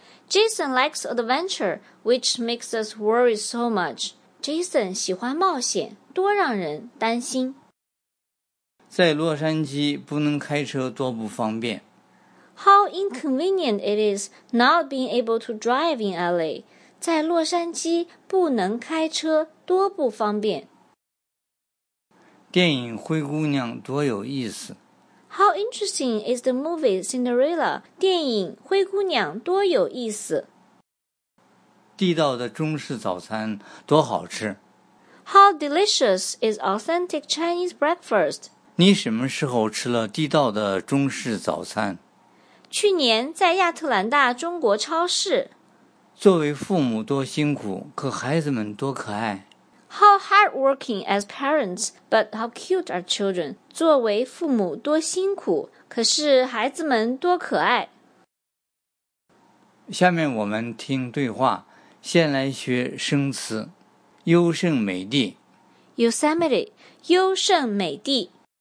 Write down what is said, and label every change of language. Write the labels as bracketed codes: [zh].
[en] Jason likes adventure, which makes us worry so much. [zh] Jason 喜欢冒险，多让人担心。在洛杉矶不能开车多不方便。 [en] How inconvenient it is not being able to drive in LA. [zh] 在洛杉矶不能开车多不方便。电影《灰姑娘》多有意思。 [en] How interesting is the movie Cinderella? [zh] 电影《灰姑娘》多有意思。地道的中式早餐多好吃。 [en] How delicious is authentic Chinese breakfast? [zh] 你什么时候吃了地道的中式早餐？去年在亚特兰大中国超市。作为父母多辛苦，可孩子们多可爱。 [en] How hardworking as parents, but how cute are children. [zh] 作为父母多辛苦，可是孩子们多可爱。下面我们听对话，先来学生词。优胜美地。 Yosemite, 优胜美地。